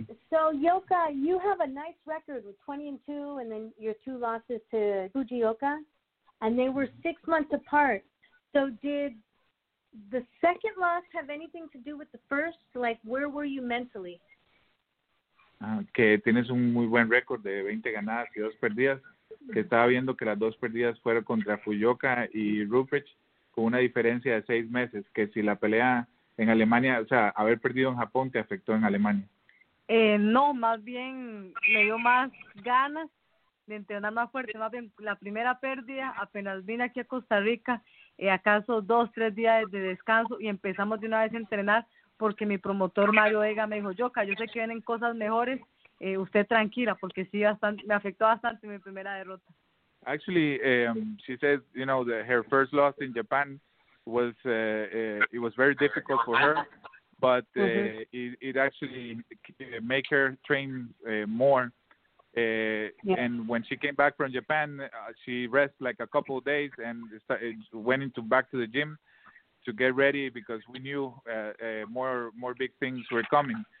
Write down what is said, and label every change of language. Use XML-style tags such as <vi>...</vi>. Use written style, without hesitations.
<en>So, Yoka, you have a nice record with 20-2, and then your 2 losses to Fujioka, and they were 6 months apart. So did the second loss have anything to do with the first? Like, where were you mentally?</en> <es>Que tienes un muy buen récord de 20 ganadas y 2 perdidas. Que estaba viendo que las 2 perdidas fueron contra Fujioka y Rupert, con una diferencia de 6 meses, que si la pelea en Alemania, o sea, haber perdido en Japón te afectó en Alemania. No, más bien me dio más ganas de entrenar más fuerte. Más bien la primera pérdida, apenas vine aquí a Costa Rica, acaso 2-3 días de descanso y empezamos de una vez a entrenar porque mi promotor Mario Vega me dijo, Yoka, yo sé que vienen cosas mejores, usted tranquila, porque sí, bastante, me afectó bastante mi primera derrota.</es> <en>Actually, she said, you know, that her first loss in Japan was it was very difficult for her, but mm-hmm. it actually make her train more. Yeah. And when she came back from Japan, she rest like a couple of days and started, went into back to the gym to get ready because we knew more big things were coming.</en>